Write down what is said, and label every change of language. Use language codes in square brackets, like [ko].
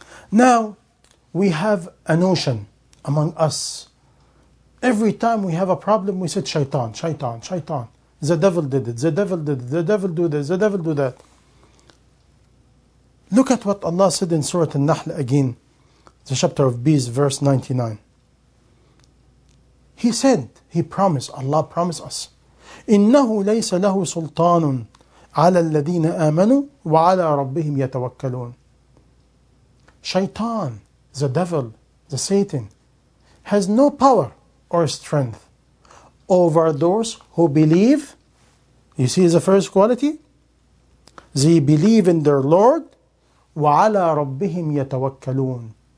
[en] Now, we have a notion among us. Every time we have a problem, we say, shaitan, shaitan, shaitan. The devil did it, the devil did it, the devil do this, the devil do that. Look at what Allah said in Surah An-Nahl again, the chapter of bees, verse 99. He said, he promised, Allah promised us, [ar] إِنَّهُ لَيْسَ لَهُ سُلْطَانٌ عَلَى الَّذِينَ آمَنُوا وَعَلَى رَبِّهِمْ يَتَوَكَّلُونَ. [en] Shaitan, the devil, the Satan, has no power or strength over those who believe. You see the first quality? They believe in their Lord. [ar] وَعَلَىٰ رَبِّهِمْ يَتَوَكَّلُونَ.